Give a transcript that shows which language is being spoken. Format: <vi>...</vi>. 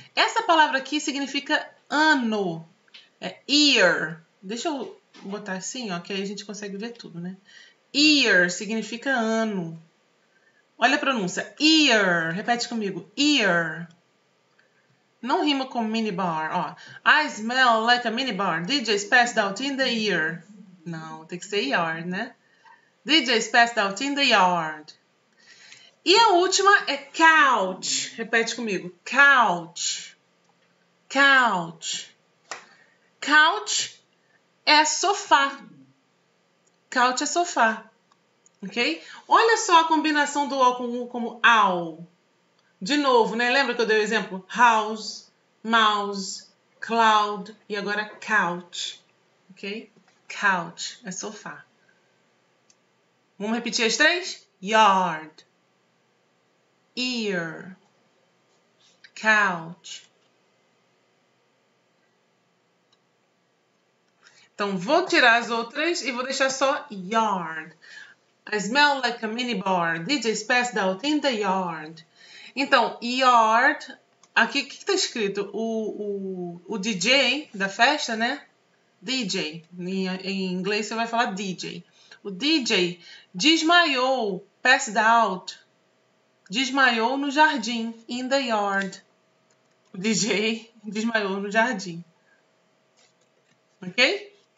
<pt>Essa palavra aqui significa ano. É ear. Deixa eu botar assim, ó, que aí a gente consegue ver tudo, né? Ear significa ano. Olha a pronúncia. Ear. Repete comigo. Ear. Não rima com minibar, ó.</pt> <en>I smell like a minibar. DJs passed out in the yard.</en> <pt>Não, tem que ser yard, né?</pt> <en>DJs passed out in the yard.</en> <pt>E a última é couch. Repete comigo. Couch. Couch. Couch é sofá. Couch é sofá. Ok? Olha só a combinação do O com U como owl. De novo, né? Lembra que eu dei o exemplo? House, mouse, cloud e agora couch. Ok? Couch é sofá. Vamos repetir as três? Yard. Ear. Couch. Então, vou tirar as outras e vou deixar só yard.</pt> <en>I smell like a minibar. DJs passed out in the yard.</en> <pt>Então, yard, aqui o que está escrito? O DJ da festa, né? DJ. Em inglês você vai falar DJ. O DJ desmaiou,</pt> <en>passed out.</en> <pt>Desmaiou no jardim,</pt> <en>in the yard.</en> <pt>O DJ desmaiou no jardim. Ok?</pt>